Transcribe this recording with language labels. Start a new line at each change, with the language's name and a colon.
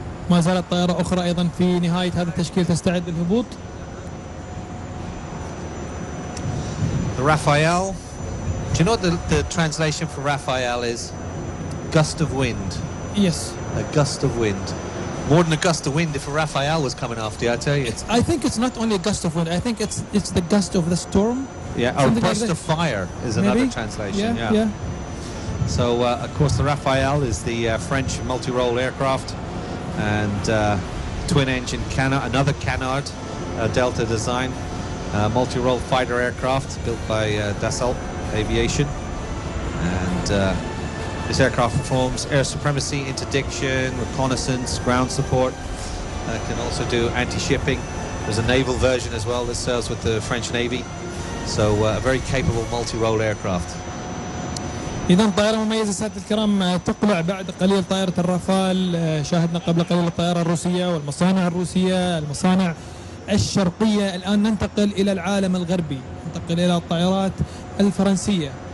Arabic: ما زالت طائرة أخرى أيضا في نهاية هذا التشكيل تستعد للهبوط.
English: Rafale. Do you know what the translation for Rafale is? Gust of wind. Yes. A gust of wind. More than a gust of wind if a Rafale was coming after you, I tell you. I think it's not only a gust of wind, I think it's the gust of the storm. Yeah, or a burst of fire is maybe another translation. Yeah. So, of course, the Rafale is the French multi-role aircraft, and twin-engine Canard, another Canard Delta design, multi-role fighter aircraft built by Dassault Aviation. And this aircraft performs air supremacy, interdiction, reconnaissance, ground support. Can also do anti-shipping. There's a naval version as well that serves with the French Navy. So a very capable multi-role aircraft.
Arabic: إذن طائرة مميزة سيادة الكرام تقلع بعد قليل طائرة الرافال شاهدنا قبل قليل الطائرة الروسية والمصانع الروسية المصانع الشرقية الآن ننتقل إلى العالم الغربي ننتقل إلى الطائرات الفرنسية